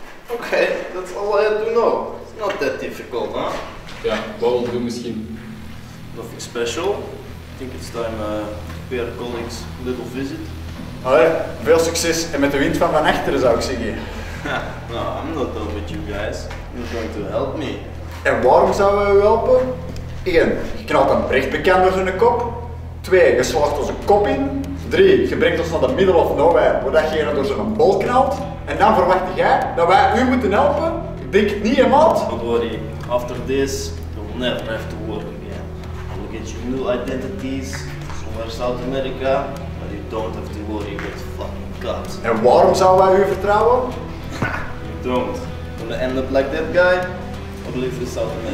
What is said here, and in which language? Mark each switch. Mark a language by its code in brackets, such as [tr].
[en] Oké, that's all I have to know. It's not that difficult, huh? [nl] Ja, wat wil je doen misschien? [en] Nothing special. I think it's time to pay our colleagues a little visit. [nl] Allee, veel succes en met de wind van achteren zou ik zeggen. [en] No, I'm not done with you guys. You're going to help me. [nl] En waarom zouden we helpen? 1. Je knalt een Brecht bekend door zijn kop. 2. Je slaagt onze kop in. 3. Je brengt ons naar de [en] middle of nowhere, [nl] waar je door zijn bol knalt. En dan verwacht jij dat wij u moeten helpen? Ik denk het niet, maat. [en] Don't worry. After this, you'll never have to work again. We'll get you new identities, somewhere in South America. But you don't have to worry about fucking cops. [nl] En waarom zouden wij u vertrouwen? [en] Don't. Gonna end up like that guy, or leave this out of it.